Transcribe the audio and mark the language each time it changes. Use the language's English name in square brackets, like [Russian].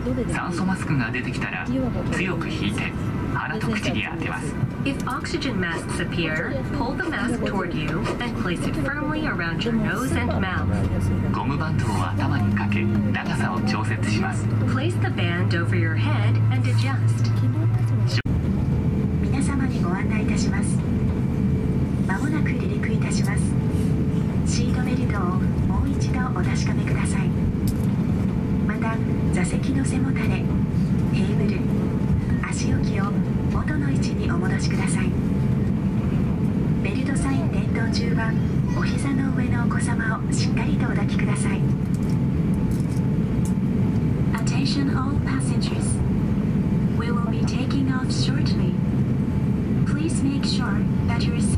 [Japanese] 酸素マスクが出てきたら強く引いて鼻と口に当てます。 [English] If oxygen masks appear, pull the mask toward you and place it firmly around your nose and mouth. [Japanese] ゴムバンドを頭にかけ長さを調節します。 [English] Place the band over your head and adjust. [Japanese] 皆様にご案内いたします。まもなく離陸いたします。シートベルトをもう一度お確かめください。また座席の背もたれ、テーブル、足置きを元の位置にお戻しください。ベルトサイン点灯中はお膝の上のお子様をしっかりとお抱きください。 [English] Attention all passengers. We will be taking off shortly. Please make sure that your